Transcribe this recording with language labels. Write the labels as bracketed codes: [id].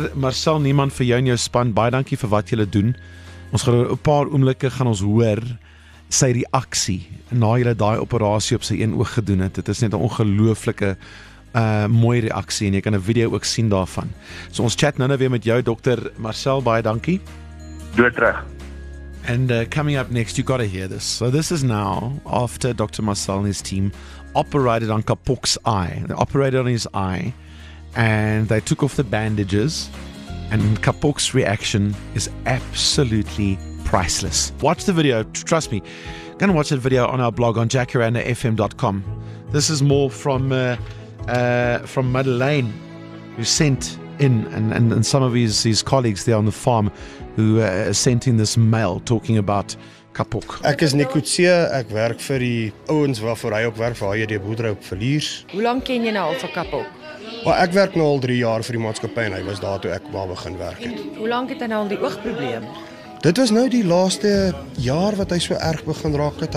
[af] Marcel Niemann, vir jou en jou span, baie dankie vir wat julle doen. Ons gaan oor 'n paar oomblikke gaan ons hoor sy reaksie na julle daai operasie op sy een oog gedoen het. Dit is net 'n ongelooflike mooi reaksie en jy kan 'n video ook sien daarvan. So ons chat nou weer met jou, Dr. Marcel, baie dankie. Doe terug. [en] And coming up next, you got to hear this. So this is now after Dr. Marcel and his team operated on Kapok's eye. They operated on his eye and they took off the bandages, and Kapok's reaction is absolutely priceless. Watch the video, trust me. Go and watch that video on our blog on jackaranda.fm.com. This is more from Madeleine, who sent in, and some of his colleagues there on the farm who sent in this mail talking about Kapok. [af] Ek is Nikutse, ek werk vir die ouens waarvoor hy ook werk, vir hy die boerdery op verliers. Hoe lank ken jy nou al van Kapok? Maar ek werk nou al 3 jaar vir die maatskappy en hy was daar toe ek wou begin werk het. En hoe lank het hy nou al die oogprobleem? Dit was nou die laaste jaar wat hy so erg begin raak het.